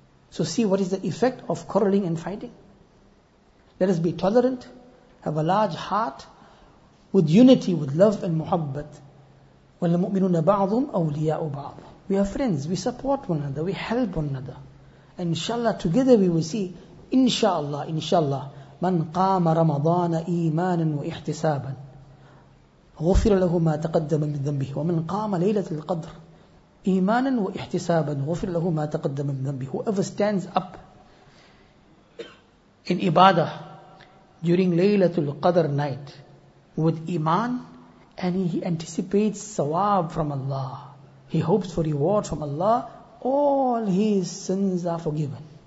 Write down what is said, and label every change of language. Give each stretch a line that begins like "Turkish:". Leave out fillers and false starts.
English: So see what is the effect of quarreling and fighting. Let us be tolerant, have a large heart, with unity, with love and muhabbat.
Arabic: وَالْمُؤْمِنُونَ بَعْضُمْ أَوْلِيَاءُ بَعْضُمْ.
English: We are friends, we support one another, we help one another. And inshallah, together we will see, inshallah, inshallah,
Arabic: مَنْ قَامَ رَمَضَانَ إِيمَانًا وَإِحْتِسَابًا غُفِرَ لَهُ مَا تَقَدَّمَ مِنْ ذَنْبِهِ وَمَنْ قَامَ لَيْلَةِ الْقَدْرِ إِيمَانًا وَإِحْتِسَابًا غُفِرَ لَهُ مَا تَقَدَّمَ مِنْ ذَنْبِهِ.
English: Whoever stands up in ibadah during Laylatul Qadr night with iman, and he anticipates sawab from Allah, he hopes for reward from Allah, all his sins are forgiven.